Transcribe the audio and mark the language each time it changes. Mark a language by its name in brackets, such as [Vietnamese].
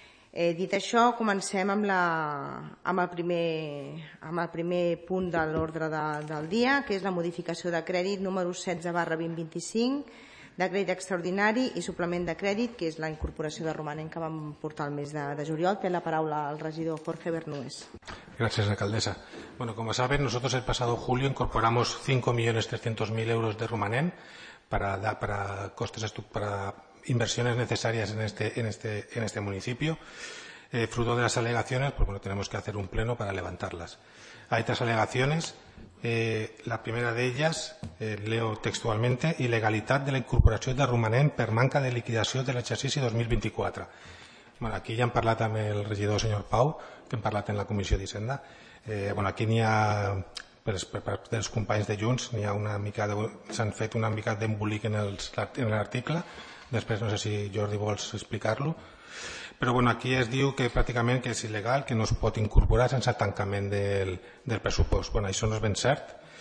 [Catalan] Dit això, comencem amb el primer punt de l'ordre del dia, que és la modificació de crèdit número 16/2025, de crèdit extraordinari i suplement de crèdit, que és la incorporació de romanent que vam portar el mes de juliol. Té la paraula el regidor Jorge Bernués. Gràcies, alcaldessa. [Spanish] Bueno, como saben, nosotros el pasado julio incorporamos 5.300.000 euros de romanent para inversiones necesarias en este municipio, fruto de las alegaciones, pues bueno, tenemos que hacer un pleno para levantarlas. Hay tres alegaciones, la primera de ellas, leo textualmente, ilegalidad de la incorporación de romanent [Catalan] per manca de liquidación de l'exercici 2024. Bueno, aquí ya han parlat amb el regidor señor Pau, que han parlat en la comissió d'Hisenda. Bueno, aquí n'hi ha, per dels companys de Junts, s'han fet una mica d'embolic en l'article. Després no sé si Jordi vols explicar-lo, però bueno, aquí es diu que pràcticament que és il·legal, que no es pot incorporar sense el tancament del pressupost. Bueno, això no és ben cert.